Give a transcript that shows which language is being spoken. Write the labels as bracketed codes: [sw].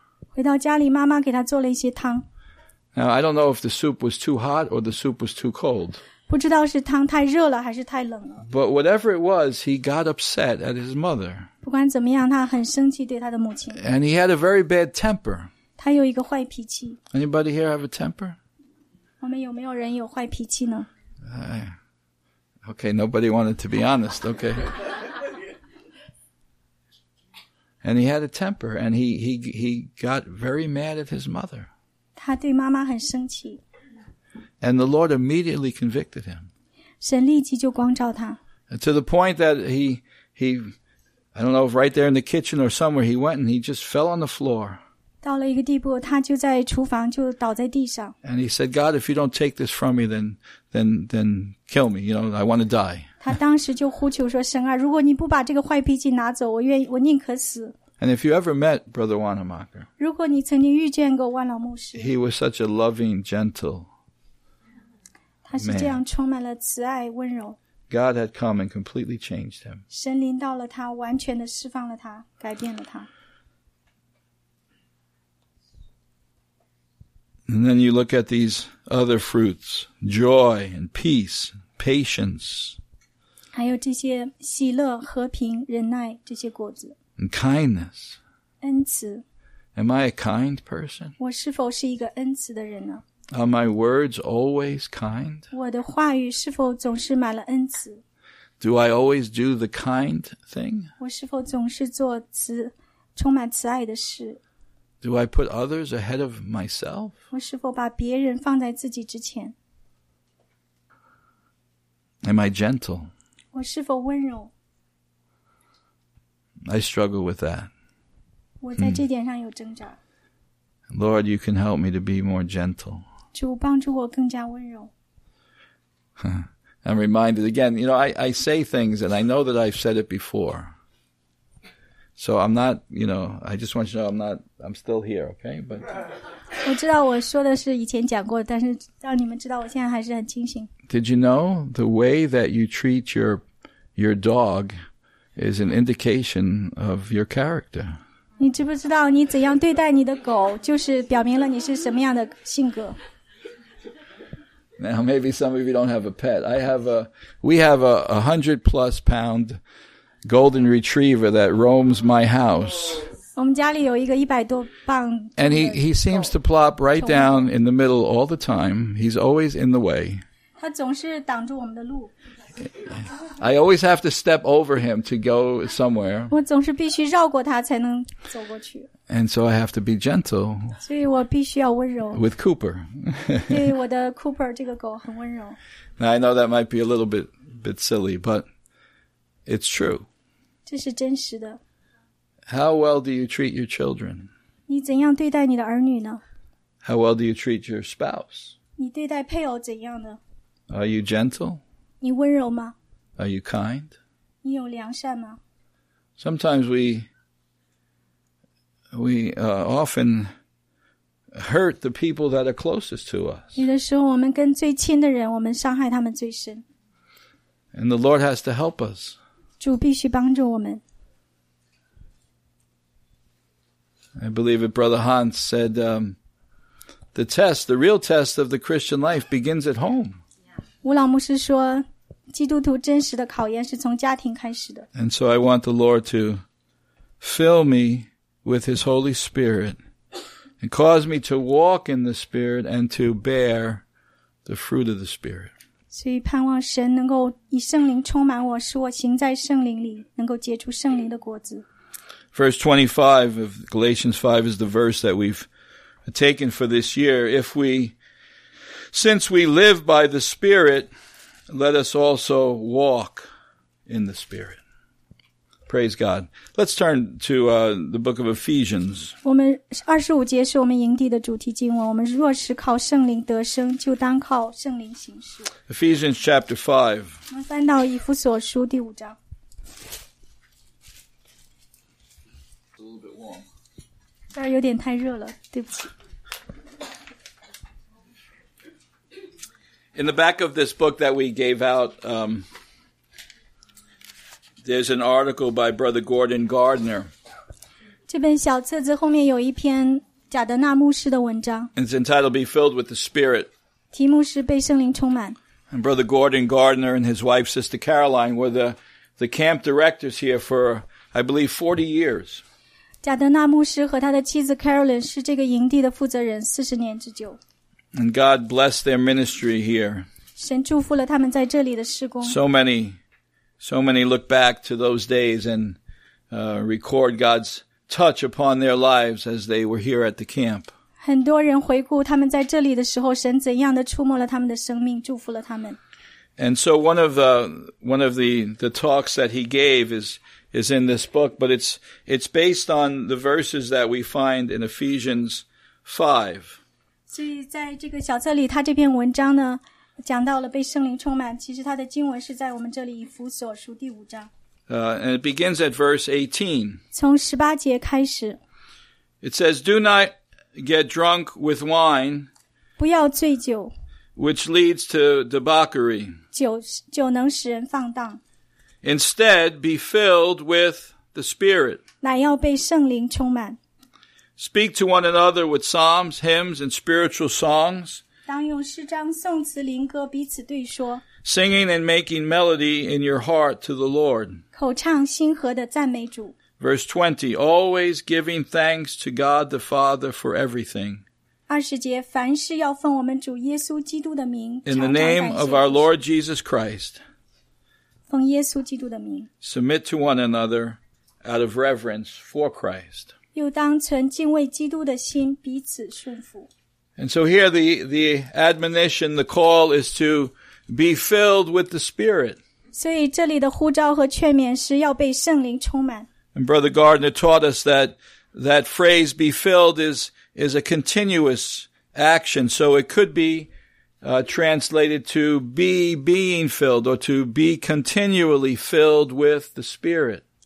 [zh] 回到家里，妈妈给他做了一些汤。 [en] Now, I don't know if the soup was too hot or the soup was too cold. [zh] 不知道是汤太热了还是太冷了。 [en] But whatever it was, he got upset at his mother. [zh] 不管怎么样，他很生气对他的母亲。 [en] And he had a very bad temper. [zh] 他有一个坏脾气。 [en] Anybody here have a temper? [zh] 我们有没有人有坏脾气呢？ [en] Okay, nobody wanted to be honest, okay. And he had a temper, and he got very mad at his mother. [zh] 他对妈妈很生气。 [en] And the Lord immediately convicted him. [zh] 神立即就光照他。 [en] To the point that he, I don't know if right there in the kitchen or somewhere, he went and he just fell on the floor. [zh] 到了一个地步，他就在厨房就倒在地上。 [en] And he said, God, if you don't take this from me, then kill me. You know, I want to die. [zh] 他当时就呼求说，神啊，如果你不把这个坏脾气拿走，我宁可死。 [en] And if you ever met Brother Wanamaker, [zh] 如果你曾经遇见过万老牧师， [en] he was such a loving, gentle man. [zh] 他是这样充满了慈爱温柔。 [en] God had come and completely changed him. [zh] 神临到了他，完全的释放了他，改变了他。 [en] And then you look at these other fruits, joy and peace, patience. [zh] 还有这些喜乐、和平、忍耐这些果子。 [en] And kindness. [zh] 恩慈。 [en] Am I a kind person? [zh] 我是否是一个恩慈的人呢？ [en] Are my words always kind? [zh] 我的话语是否总是满了恩慈? [en] Do I always do the kind thing? [zh] 我是否总是做慈,充满慈爱的事? [en] Do I put others ahead of myself? [zh] 我是否把别人放在自己之前? [en] Am I gentle? [zh] 我是否温柔? [en] I struggle with that. [zh] 我在这点上有挣扎。 [en] Lord, you can help me to be more gentle. [zh] 主帮助我更加温柔。 [en] I'm reminded again, you know, I say things and I know that I've said it before. So I'm not, you know, I just want you to know I'm still here, okay? But [zh] 我知道我说的是以前讲过，但是让你们知道我现在还是很清醒。 [en] Did you know the way that you treat your dog is an indication of your character? [zh] 你知不知道你怎样对待你的狗就是表明了你是什么样的性格。 [en] Now, maybe some of you don't have a pet. We have a 100-plus-pound golden retriever that roams my house. [zh] 我们家里有一个100多磅。 [en] And he seems to plop right down in the middle all the time. He's always in the way. [zh] 他总是挡住我们的路。 [en] I always have to step over him to go somewhere. [zh] 我总是必须绕过他才能走过去。 [en] And so I have to be gentle. [zh] 所以我必须要温柔。 [en] With Cooper. [zh] 因为我的 Cooper 这个狗很温柔。 [en] Now I know that might be a little bit silly, but it's true. [zh] 这是真实的。 [en] How well do you treat your children? [zh] 你怎样对待你的儿女呢? [en] How well do you treat your spouse? [zh] 你对待配偶怎样呢? [en] Are you gentle? [zh] 你温柔吗? [en] Are you kind? [zh] 你有良善吗? [en] Sometimes we often hurt the people that are closest to us. [zh] 有的时候我们跟最亲的人我们伤害他们最深。 [en] And the Lord has to help us. [zh] 主必须帮助我们。 [en] I believe it, Brother Hans said, the real test of the Christian life begins at home. [zh] 吴老牧师说，基督徒真实的考验是从家庭开始的。 [en] And so I want the Lord to fill me with His Holy Spirit and cause me to walk in the Spirit and to bear the fruit of the Spirit. [zh] 所以盼望神能够以圣灵充满我，使我行在圣灵里，能够结出圣灵的果子。 [en] Verse 25 of Galatians 5 is the verse that we've taken for this year. Since we live by the Spirit, let us also walk in the Spirit. Praise God. Let's turn to the book of Ephesians. [zh] 我们二十五节是我们营地的主题经文。我们若是靠圣灵得生，就当靠圣灵行事。 [en] Ephesians chapter 5. [zh] 我们翻到以弗所书第五章。 [en] A little bit warm. [zh] 这儿有点太热了，对不起。 [en] In the back of this book that we gave out, there's an article by Brother Gordon Gardner. [zh] 这本小册子后面有一篇贾德纳牧师的文章。 [en] It's entitled Be Filled with the Spirit. [zh] 题目是被圣灵充满。 [en] And Brother Gordon Gardner and his wife, Sister Caroline, were the camp directors here for, I believe, 40 years. [zh] 贾德纳牧师和他的妻子 Caroline 是这个营地的负责人40年之久。 [en] And God blessed their ministry here. [zh] 神祝福了他们在这里的事工。 [en] So many look back to those days and record God's touch upon their lives as they were here at the camp. [zh] 很多人回顾他们在这里的时候，神怎样的触摸了他们的生命，祝福了他们。 [en] And so one of the talks that he gave is in this book, but it's based on the verses that we find in Ephesians 5. [zh] 所以在这个小册里他这篇文章呢讲到了被圣灵充满其实他的经文是在我们这里以弗所书第五章。 [en] And it begins at verse 18. [zh] 从十八节开始。 [en] It says, Do not get drunk with wine, [zh] 不要醉酒 [en] which leads to debauchery. [zh] 酒能使人放荡。 [en] Instead, be filled with the Spirit. [zh] 乃要被圣灵充满。 [en] Speak to one another with psalms, hymns, and spiritual songs. [zh] 当用诗章、颂词、灵歌彼此对说。 [en] Singing and making melody in your heart to the Lord. [zh] 口唱心和的赞美主。 [en] Verse 20, always giving thanks to God the Father for everything. [zh] 二十节，凡事要奉我们主耶稣基督的名。 [en] In the name of our Lord Jesus Christ. [zh] 奉耶稣基督的名。 [en] Submit to one another out of reverence for Christ. [zh] 又当存敬畏基督的心彼此顺服。 [en] And so here the admonition, the call is to be filled with the Spirit. [zh] 所以这里的呼召和劝勉是要被圣灵充满。 [en] And Brother Gardner taught us that phrase be filled is a continuous action. So it could be translated to be being filled or to be continually filled with the Spirit.